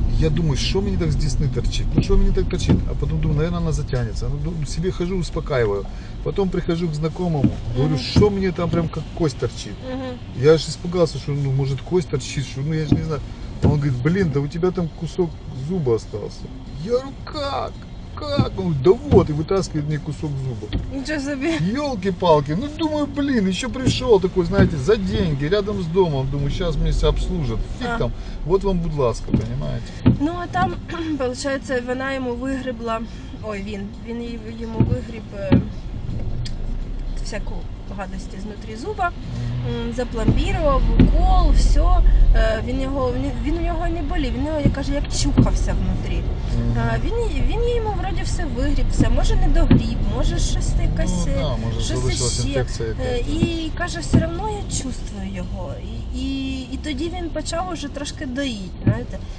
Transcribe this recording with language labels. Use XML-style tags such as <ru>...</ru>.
<uk>Я думаю, що мені так з десни торчить? Ну, що мені так торчить? А потім думаю, мабуть, вона затягнеться. Ну, собі хожу, успокаюю. Потім прихожу к знайомому, говорю, що мені там прям як кость торчить? Я ж испугався, що, ну, може, кость торчить, що, ну, я ж не знаю. Він говорить, блін, да у тебе там кусок зуба остався. Я говорю, як? Как?</uk> <ru>Он, да вот, и вытаскивает мне кусок зуба. Ничего себе. Ёлки-палки. Ну, думаю, блин, еще пришел такой, знаете, за деньги, рядом с домом. Думаю, сейчас мне все обслужат. Фиг там. Вот вам будь-ласка, понимаете? Ну, а там, получается, она ему выгребла... Ой, він. Він ему выгреб всякую гадость изнутри зуба. Запломбировал, укол, все.</ru> <uk>Він у нього не болів, він його, я кажу, як чухався внутрі. Він йому вроді все вигрібся, може не догріб, може щось якась, щось ще. І каже, все одно я чувствую його. І тоді він почав уже трошки доїти, знаєте.</uk>